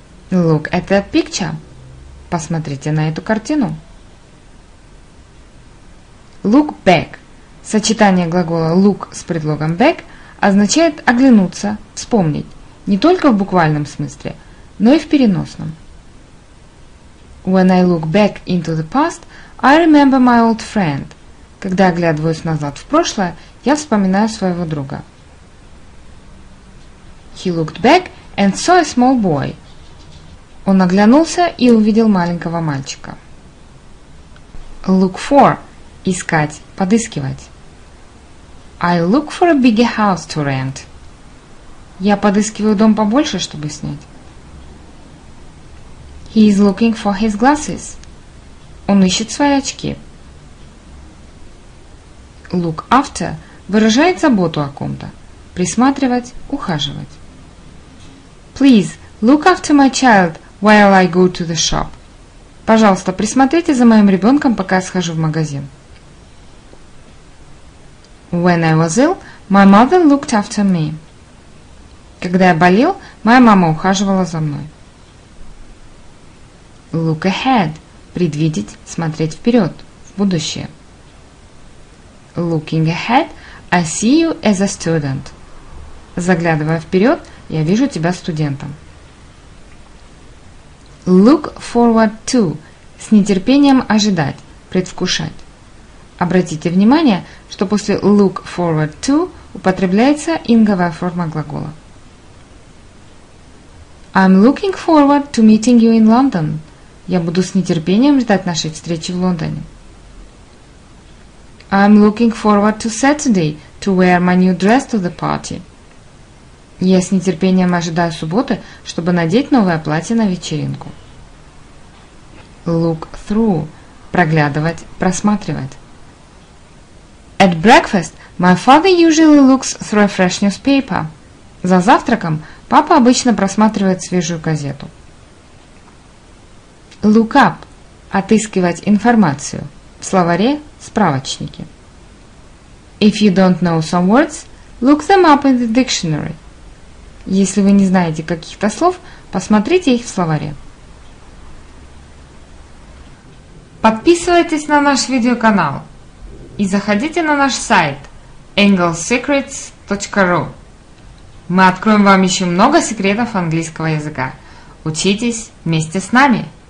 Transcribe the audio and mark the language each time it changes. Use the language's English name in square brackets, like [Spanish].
[English] Look at that picture. [Russian] Посмотрите на эту картину. [English] Look back. [Russian] Сочетание глагола look с предлогом back означает оглянуться, вспомнить, не только в буквальном смысле, но и в переносном. [English] When I look back into the past, I remember my old friend. [Russian] Когда оглядываюсь назад в прошлое, я вспоминаю своего друга. [English] He looked back and saw a small boy. [Russian] Он оглянулся и увидел маленького мальчика. [English] Look for – [Russian] искать, подыскивать. [English] I look for a bigger house to rent. [Russian] Я подыскиваю дом побольше, чтобы снять. [English] He is looking for his glasses. [Russian] Он ищет свои очки. Look after выражает заботу о ком-то. Присматривать, ухаживать. [English] Please look after my child while I go to the shop. [Russian] Пожалуйста, присмотрите за моим ребенком, пока я схожу в магазин. [English] When I was ill, my mother looked after me. [Russian] Когда я болел, моя мама ухаживала за мной. Look ahead предвидеть, смотреть вперед, в будущее. [English] Looking ahead, I see you as a student. [Russian] Заглядывая вперед, я вижу тебя студентом. [English] Look forward to. [Russian] С нетерпением ожидать, предвкушать. Обратите внимание, что после look forward to употребляется инговая форма глагола. [English] I'm looking forward to meeting you in London. [Russian] Я буду с нетерпением ждать нашей встречи в Лондоне. [English] I'm looking forward to Saturday to wear my new dress to the party. [Russian] Я с нетерпением ожидаю субботы, чтобы надеть новое платье на вечеринку. Look through – проглядывать, просматривать. [English] At breakfast my father usually looks through a fresh newspaper. [Russian] За завтраком папа обычно просматривает свежую газету. Look up – отыскивать информацию. В словаре – справочники. [English] If you don't know some words, look them up in the dictionary. [Russian] Если вы не знаете каких-то слов, посмотрите их в словаре. Подписывайтесь на наш видеоканал и заходите на наш сайт englishsecrets.ru. Мы откроем вам еще много секретов английского языка. Учитесь вместе с нами!